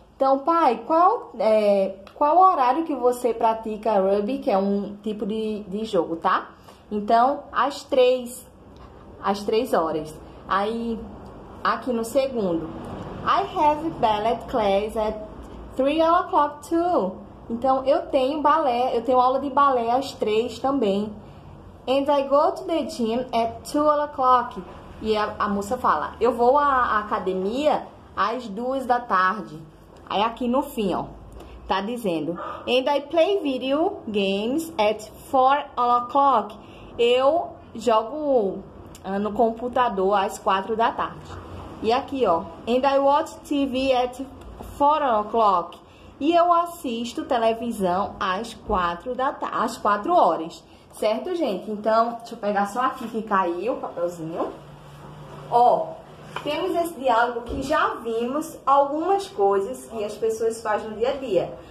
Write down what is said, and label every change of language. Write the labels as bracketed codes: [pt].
[pt] Então, pai, qual o horário que você pratica rugby, que é um tipo de jogo, tá? Então, às três horas. Aí, aqui no segundo: [en] I have ballet class at 3 o'clock too. [pt] Então, eu tenho aula de balé às três também. [en] And I go to the gym at 2 o'clock. [pt] E a moça fala: eu vou à academia às 2 da tarde. Aí aqui no fim, ó, tá dizendo: [en] And I play video games at 4 o'clock. [pt] Eu jogo no computador às 4 da tarde. E aqui, ó: [en] And I watch TV at 4 o'clock. [pt] E eu assisto televisão às 4 horas. Certo, gente? Então, deixa eu pegar só aqui que caiu o papelzinho. Ó, temos esse diálogo que já vimos algumas coisas que as pessoas fazem no dia a dia.